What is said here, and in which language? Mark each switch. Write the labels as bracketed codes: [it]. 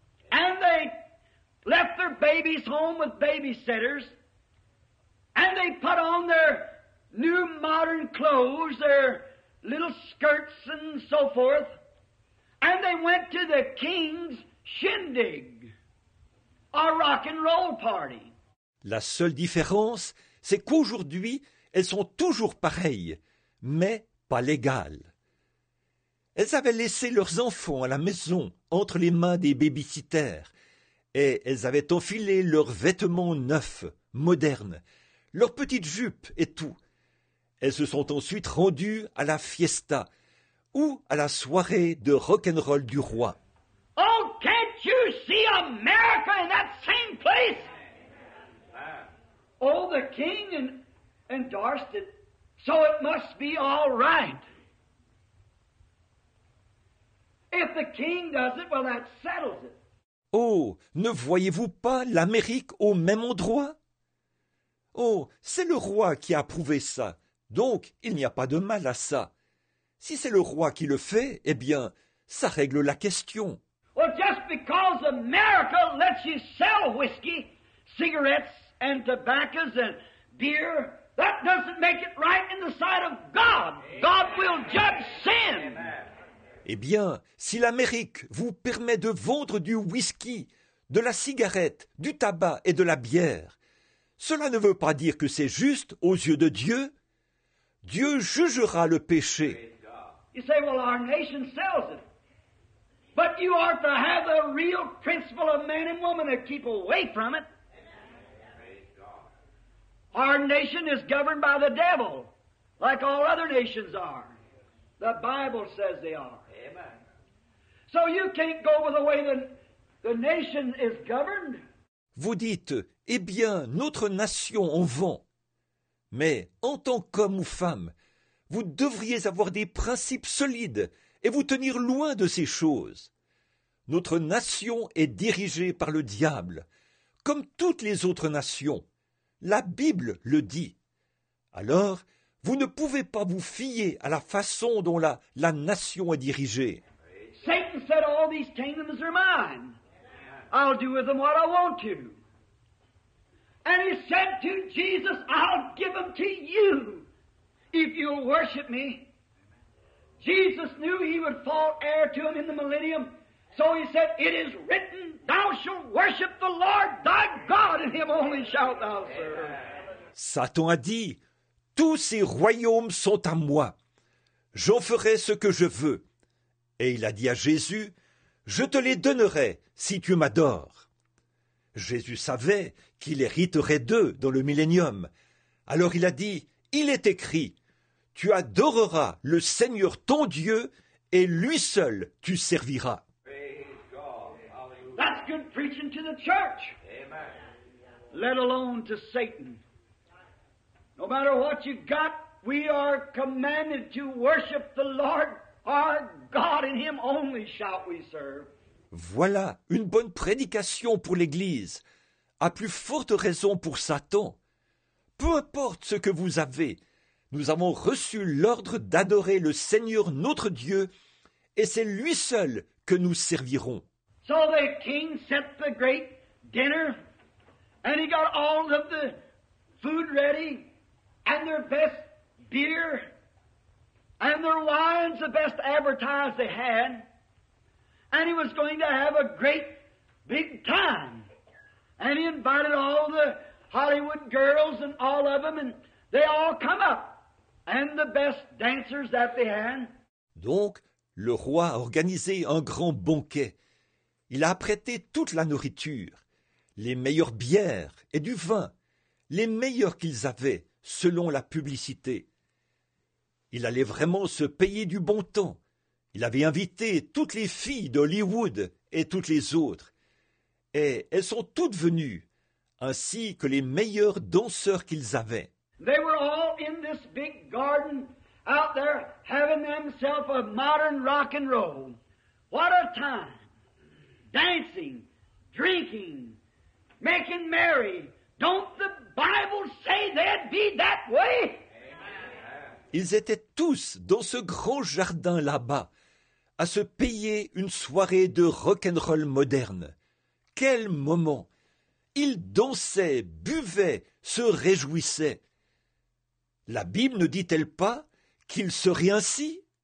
[en] And they left their babies home with babysitters, and they put on their new modern clothes, their little skirts and so forth, and they went to the king's shindig, a rock and roll party. [fr] La seule différence, c'est qu'aujourd'hui, elles sont toujours pareilles, mais pas légales. Elles avaient laissé leurs enfants à la maison, entre les mains des babysitters, et elles avaient enfilé leurs vêtements neufs, modernes, leurs petites jupes et tout. Elles se sont ensuite rendues à la fiesta, ou à la soirée de rock'n'roll du roi. [en] Oh, can't you see America in that same place? Oh, the king endorsed it, so it must be all right. If the king does it, well, that settles it. [fr] Oh, ne voyez-vous pas l'Amérique au même endroit? Oh, c'est le roi qui a approuvé ça, donc il n'y a pas de mal à ça. Si c'est le roi qui le fait, eh bien, ça règle la question. [en] Well, just because America lets you sell whiskey, cigarettes, and tobaccos and beer, that doesn't make it right in the sight of God. God will judge sin. [fr] Eh bien, si l'Amérique vous permet de vendre du whisky, de la cigarette, du tabac et de la bière, cela ne veut pas dire que c'est juste aux yeux de Dieu. Dieu jugera le péché. [en] You say, well, our nation sells it. But you are to have the real principle of man and woman to keep away from it. Our nation is governed by the devil, like all other nations are. The Bible says they are. Amen. So you can't go with the way the nation is governed. [fr] Vous dites, eh bien, notre nation en vend. Mais en tant qu'homme ou femme, vous devriez avoir des principes solides et vous tenir loin de ces choses. Notre nation est dirigée par le diable, comme toutes les autres nations. La Bible le dit. Alors, vous ne pouvez pas vous fier à la façon dont la nation est dirigée. [en] Satan said all these kingdoms are mine. I'll do with them what I want to. And he said to Jesus, I'll give them to you if you'll worship me. Jesus knew he would fall heir to him in the millennium. So he said, it is written, thou shalt worship the Lord thy God, and him only shalt thou serve. [fr] Satan a dit, tous ces royaumes sont à moi. J'en ferai ce que je veux. Et il a dit à Jésus, je te les donnerai si tu m'adores. Jésus savait qu'il hériterait d'eux dans le millénium. Alors il a dit, il est écrit, tu adoreras le Seigneur ton Dieu et lui seul tu serviras. [en] That's good preaching to the church. Amen. Let alone to Satan. No matter what you've got, we are commanded to worship the Lord our God, in him only shall we serve. [fr] Voilà une bonne prédication pour l'Église, à plus forte raison pour Satan. Peu importe ce que vous avez, nous avons reçu l'ordre d'adorer le Seigneur notre Dieu, et c'est lui seul que nous servirons. [en] So the king set the great dinner, and he got all of the food ready, and their best beer, and their wines, the best advertised they had, and he was going to have a great big time. And he invited all the Hollywood girls and all of them, and they all come up, and the best dancers that they had. [fr] Donc, le roi a organisé un grand banquet. Il a apprêté toute la nourriture, les meilleures bières et du vin, les meilleurs qu'ils avaient, selon la publicité. Il allait vraiment se payer du bon temps. Il avait invité toutes les filles d'Hollywood et toutes les autres. Et elles sont toutes venues, ainsi que les meilleurs danseurs qu'ils avaient. [en] They were all in this big garden, out there, having themselves a modern rock and roll. What a time! Dancing, drinking, making merry. Don't the Bible say they'd be that way? Amen. [fr] Ils étaient tous dans ce grand jardin là-bas, à se payer une soirée de rock'n'roll moderne. Quel moment! Ils dansaient, buvaient, se réjouissaient. La Bible ne dit-elle pas qu'il serait ainsi?